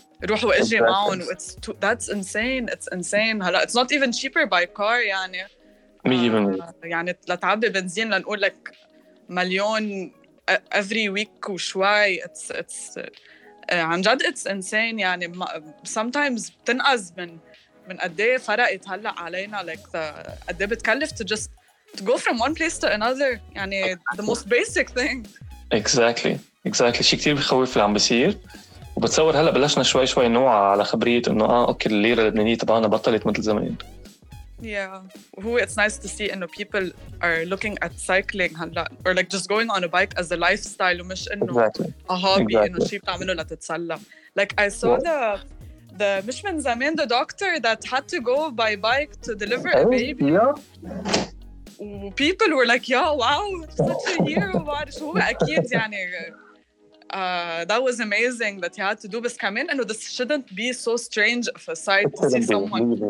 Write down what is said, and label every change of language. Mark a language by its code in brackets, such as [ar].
[ar] روحوا اجي معهم [en] it's too, that's insane it's insane [ar] هلا [en] it's not even cheaper by car [ar] يعني يعني لتعبي بنزين لنقول لك مليون [en] every week [ar] وشوي [en] it's [ar] عن جد [en] it's insane يعني sometimes [ar] بتنقز من قدي فرقت هلا علينا [en] like [ar] قدي بتكلف [en] to just to go from one place to another يعني the most basic thing [ar] exactly شي كتير بخوف اللي عم بصير وبتصور هلا بلشنا شوي شوي نوع على خبرية إنه أوكي الليرة اللبنانية تبعنا بطلت مثل زمان. [en] Yeah, who it's nice to see إنه people are looking at cycling هلا or like just going on a bike as a lifestyle [ar] ومش إنه [en] exactly. a hobby [ar] إنه شيء بتعمله لتتسلى. [en] Like I saw the [ar] مش من زمان [en] the doctor that had to go by bike to deliver a baby. People were like, yeah, wow, such a hero. [ar] شو هو أكيد يعني. [en] That was amazing that you had to do this come in and this shouldn't be so strange of a sight to see someone